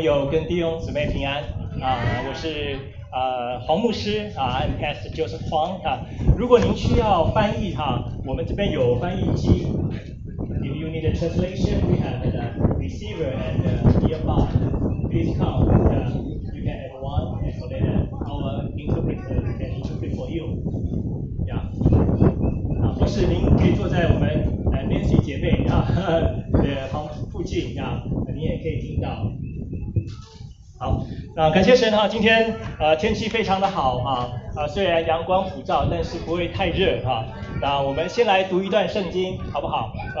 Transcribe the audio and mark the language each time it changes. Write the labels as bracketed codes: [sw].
[zh] 跟弟兄姊妹平安，我是黄牧师， [en] I'm Pastor Joseph Huang。 [zh] 如果您需要翻译，我们这边有翻译机。 [en] If you need a translation, we have a receiver and earbud. Please come, you can have one, and our interpreter can interpret for you. Yeah. [zh] 或是您可以坐在我们Nancy 姐妹的附近，你也可以听到。好，感谢神，今天天气非常的好，虽然阳光普照，但是不会太热哈、啊。那我们先来读一段圣经，好不好？